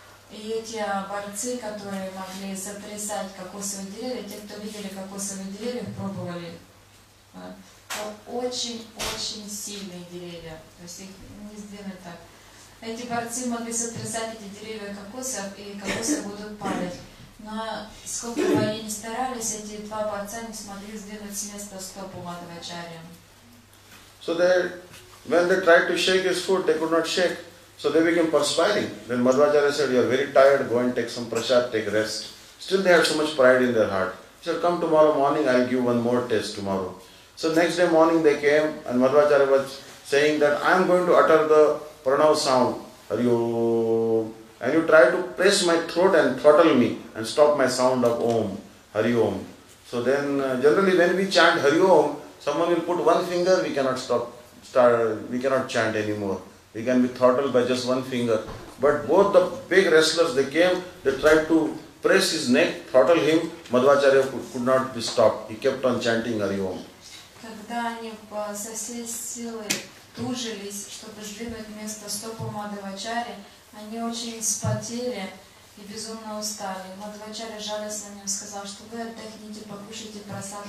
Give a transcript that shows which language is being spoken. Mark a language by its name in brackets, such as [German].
[Russian] И эти борцы, которые могли сотрясать кокосовые деревья, те, кто видели кокосовые деревья, пробовали, то очень-очень сильные деревья, то есть их не сдвинуть так. Эти борцы могли сотрясать эти деревья кокосов, и кокосы будут падать. Но сколько бы они ни старались, эти два борца не смогли сдвинуть с места стопу Мадхвачарья. [English] So when they tried to shake his foot, they could not shake. So they became perspiring. Then Madhvacharya said, you are very tired, go and take some prasad, take rest. Still they had so much pride in their heart. He said, come tomorrow morning, I'll give one more test tomorrow. So next day morning they came and Madhvacharya was saying that I am going to utter the pranav sound, Hariom, and you try to press my throat and throttle me and stop my sound of Om, Hariom. So then generally when we chant Hariom, someone will put one finger, we cannot chant anymore. We can be throttled by just one finger. But both the big wrestlers, they came, they tried to press his neck, throttle him. Madhvacharya could not be stopped. He kept on chanting Hariom. [Russian] Когда они со всей силы тужились, чтобы сдвинуть место стопу Мадхвачарьи, они очень вспотели и безумно устали. Мадхвачарья жалился на них, сказал, что вы отдохните, покушайте прасад.